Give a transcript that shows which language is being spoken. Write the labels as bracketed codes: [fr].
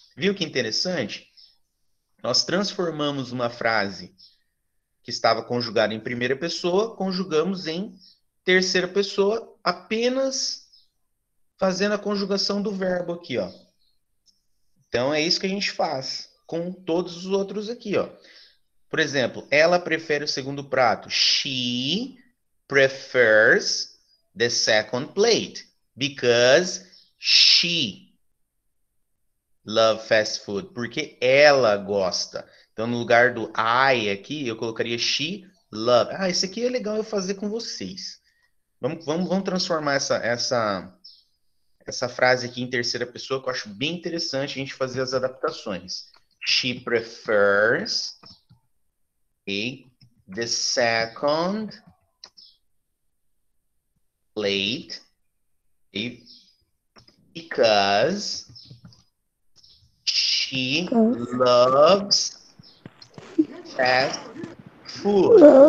[pt] Viu que interessante? Nós transformamos uma frase que estava conjugada em primeira pessoa, conjugamos em terceira pessoa, apenas fazendo a conjugação do verbo aqui, ó. Então, é isso que a gente faz com todos os outros aqui, ó. Por exemplo, ela prefere o segundo prato. [en] She prefers the second plate because she loves fast food. [pt] Porque ela gosta. Então, no lugar do I aqui, eu colocaria [en] she loves. [pt] Ah, esse aqui é legal eu fazer com vocês. Vamos transformar essa frase aqui em terceira pessoa, que eu acho bem interessante a gente fazer as adaptações. [en] She prefers the second plate because she loves fast food.